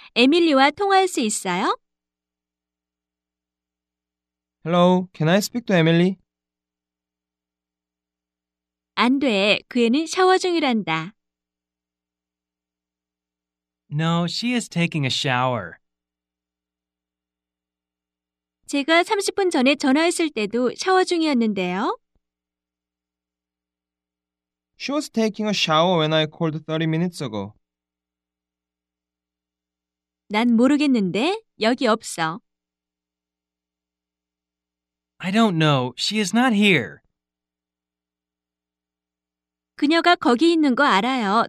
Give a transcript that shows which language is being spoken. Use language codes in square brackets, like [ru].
[ko] 에밀리와 통화할 수 있어요? [en] Hello, can I speak to Emily? [ko] 안 돼, 그 애는 샤워 중이란다. [en] No, she is taking a shower. [ko] 제가 30분 전에 전화했을 때도 샤워 중이었는데요. [en] She was taking a shower when I called 30 minutes ago. [ko] 난 모르겠는데, 여기 없어. [en] I don't know. She is not here. [ko] 그녀가 거기 있는 거 알아요.